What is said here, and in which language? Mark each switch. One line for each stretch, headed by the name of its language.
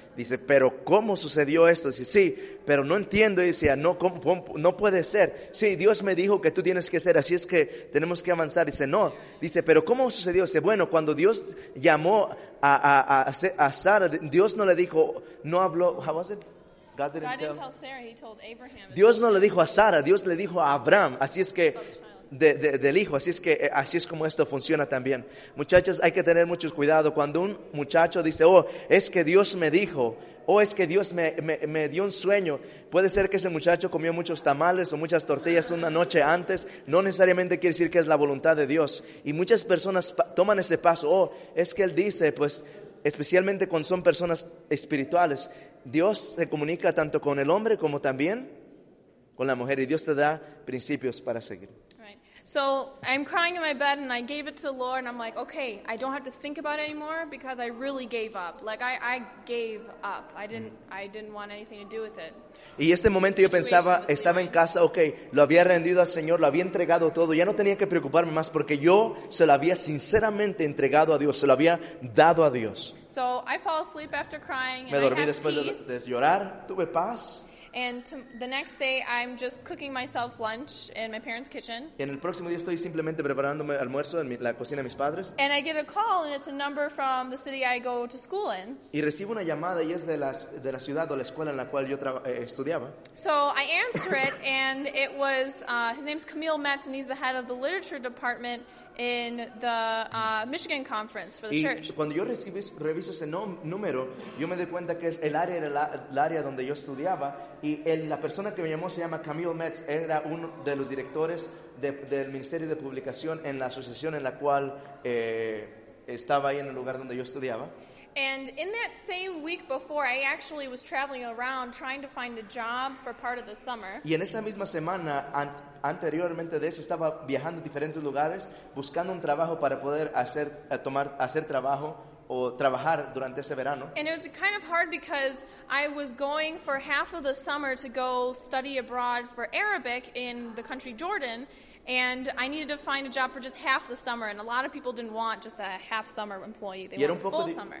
Spanish: Dice, pero ¿cómo sucedió esto? Dice, sí, pero no entiendo. Y dice, no puede ser. Sí, Dios me dijo que tú tienes que ser, así es que tenemos que avanzar. Dice, no. Dice, pero ¿cómo sucedió? Dice, bueno, cuando Dios llamó a Sara, Dios no le dijo, no habló,
English: how was it? God didn't tell Sarah, he told Abraham.
Spanish: Dios no le dijo a Sara, Dios le dijo a Abraham. Así es que del hijo. Así es como esto funciona también. Muchachos, hay que tener mucho cuidado. Cuando un muchacho dice, oh, es que Dios me dijo, o es que Dios me dio un sueño. Puede ser que ese muchacho comió muchos tamales o muchas tortillas una noche antes. No necesariamente quiere decir que es la voluntad de Dios. Y muchas personas toman ese paso. Oh, es que él dice, pues, especialmente cuando son personas espirituales, Dios se comunica tanto con el hombre como también con la mujer, y Dios te da principios para seguir.
English: So I'm crying in my bed and I gave it to the Lord and I'm like, okay, I don't have to think about it anymore because I really gave up. Like I gave up. I didn't want anything to do with it.
Spanish: Y este momento yo pensaba, estaba en casa, okay, lo había rendido al Señor, lo había entregado todo, ya no tenía que preocuparme más porque yo se lo había sinceramente entregado a Dios, se lo había dado a Dios.
English: So I fall asleep after crying and
Spanish: me dormí después de llorar, tuve paz.
English: And the next day, I'm just cooking myself lunch in my parents' kitchen.
Spanish: Y en el próximo día estoy simplemente preparándome almuerzo en la cocina de mis padres.
English: And I get a call, and it's a number from the city I go to school in.
Spanish: Y recibo una llamada, y es de la ciudad o la escuela en la cual yo estudiaba.
English: So I answer it, and it was his name's Camille Metz, and he's the head of the literature department in the Michigan conference for the
Spanish: y
English: church.
Spanish: Y cuando yo reviso ese número, yo me doy cuenta que es el área donde yo estudiaba. Y la persona que me llamó se llama Camille Metz, era uno de los directores del Ministerio de Publicación en la asociación en la cual estaba ahí en el lugar donde yo estudiaba.
English: And in that same week before, I actually was traveling around trying to find a job for part of the summer.
Spanish: Y en esa misma semana, anteriormente de eso, estaba viajando a diferentes lugares buscando un trabajo para poder hacer trabajo o trabajar durante ese verano.
English: And it was kind of hard because I was going for half of the summer to go study abroad for Arabic in the country Jordan, and I needed to find a job for just half the summer, and a lot of people didn't want just a half summer employee, they wanted full summer.